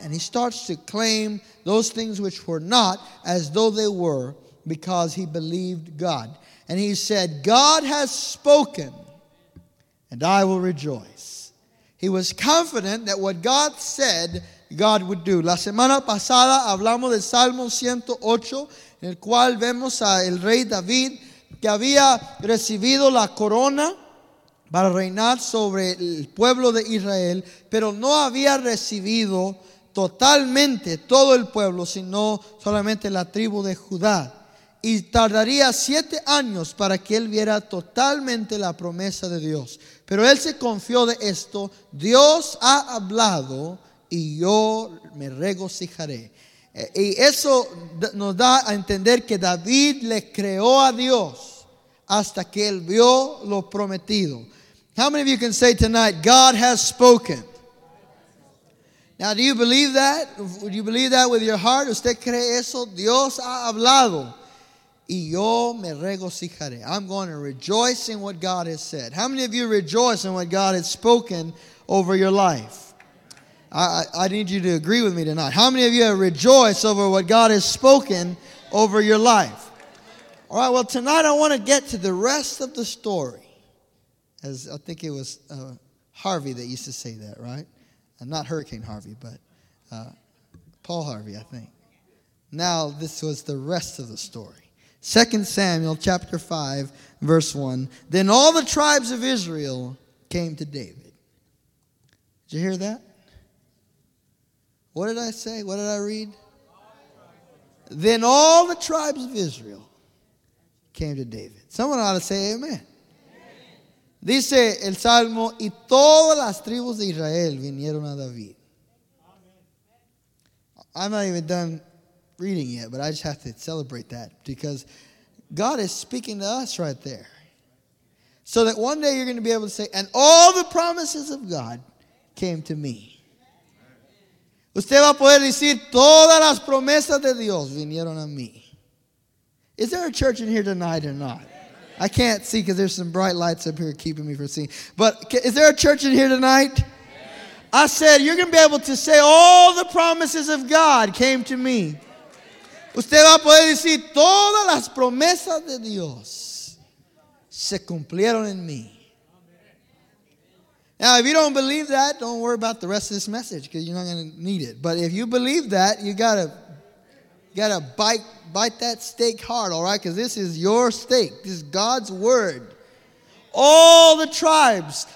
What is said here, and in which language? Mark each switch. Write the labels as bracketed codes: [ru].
[en] And he starts to claim those things which were not as though they were, because he believed God. And he said, God has spoken, and I will rejoice. He was confident that what God said, God would do. [es] La semana pasada hablamos del Salmo 108, en el cual vemos a el rey David, que había recibido la corona para reinar sobre el pueblo de Israel, pero no había recibido totalmente todo el pueblo, sino solamente la tribu de Judá. Y tardaría 7 años para que él viera totalmente la promesa de Dios. Pero él se confió de esto: Dios ha hablado y yo me regocijaré. Y eso nos da a entender que David le creó a Dios hasta que él vio lo prometido. [en] How many of you can say tonight, God has spoken? Now, do you believe that? Would you believe that with your heart? [es] ¿Usted cree eso? Dios ha hablado y yo me regocijaré. [en] I'm going to rejoice in what God has said. How many of you rejoice in what God has spoken over your life? I need you to agree with me tonight. How many of you have rejoiced over what God has spoken over your life? All right, well, tonight I want to get to the rest of the story. As I think it was Harvey that used to say that, right? Not Hurricane Harvey, but Paul Harvey, I think. Now, this was the rest of the story. 2 Samuel chapter 5, verse 1. Then all the tribes of Israel came to David. Did you hear that? What did I say? What did I read? Then all the tribes of Israel came to David. Someone ought to say amen. Amen. [es] Dice el Salmo, y todas las tribus de Israel vinieron a David. [en] Amen. I'm not even done reading yet, but I just have to celebrate that, because God is speaking to us right there. So that one day you're going to be able to say, and all the promises of God came to me. Amen. [es] Usted va a poder decir, todas las promesas de Dios vinieron a mí. [en] Is there a church in here tonight or not? I can't see because there's some bright lights up here keeping me from seeing. But is there a church in here tonight? I said, you're going to be able to say, all the promises of God came to me. [es] Usted va a poder decir, todas las promesas de Dios se cumplieron en mí. [en] Now, if you don't believe that, don't worry about the rest of this message, because you're not going to need it. But if you believe that, you got to bite that steak hard, all right? Because this is your steak. This is God's word. All the tribes.